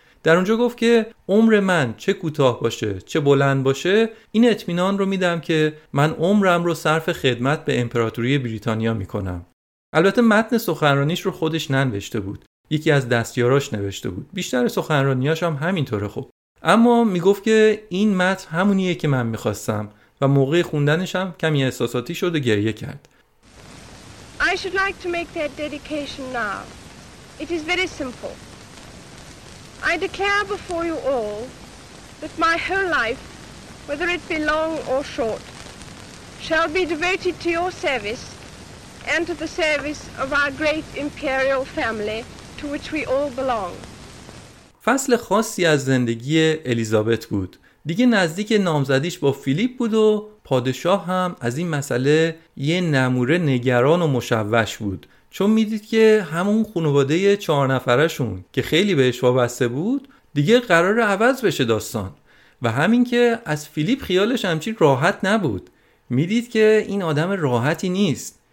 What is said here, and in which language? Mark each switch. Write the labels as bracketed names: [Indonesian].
[Persian] در اونجا گفت که عمر من چه کوتاه باشه چه بلند باشه، این اطمینان رو میدم که من عمرم رو صرف خدمت به امپراتوری بریتانیا می‌کنم. البته متن سخنرانیش رو خودش ننوشته بود، یکی از دستیاراش نوشته بود. بیشتر سخنرانیاش هم همینطوره. خب اما میگفت که این متن همونیه که من میخواستم و موقع خوندنش هم کمی احساساتی شد و گریه کرد. [English] I should like to make that dedication now. It is very simple. I declare before you all that my whole life, whether it be long or short, shall be devoted to your service and to the service of our great imperial family to which we all belong. [Persian] فصل خاصی از زندگی الیزابت بود. دیگه نزدیک نامزدیش با فیلیپ بود و پادشاه هم از این مسئله یه نموره نگران و مشوش بود، چون میدید که همون خانواده 4 نفرشون که خیلی بهش وابسته بود دیگه قرار عوض بشه داستان، و همین که از فیلیپ خیالش همچین راحت نبود. میدید که این آدم راحتی نیست.